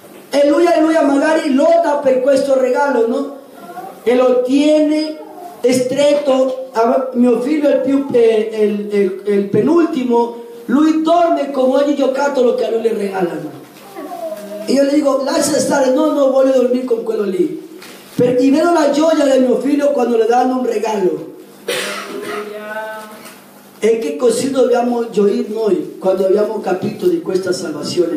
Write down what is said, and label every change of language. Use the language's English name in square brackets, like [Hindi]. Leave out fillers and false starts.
[Italian] E lui, magari lotta per questo regalo, no? E lo tiene stretto. A mio figlio, il penultimo, lui dorme con ogni giocattolo che a lui le regalano. E io le dico, lascia stare, no, voglio dormire con quello lì. [Spanish] Y veo [Italian] la gioia [Spanish] de mi figlio cuando le dan un regalo. Es que [Italian] così dobbiamo gioir noi cuando abbiamo capito di questa salvazione.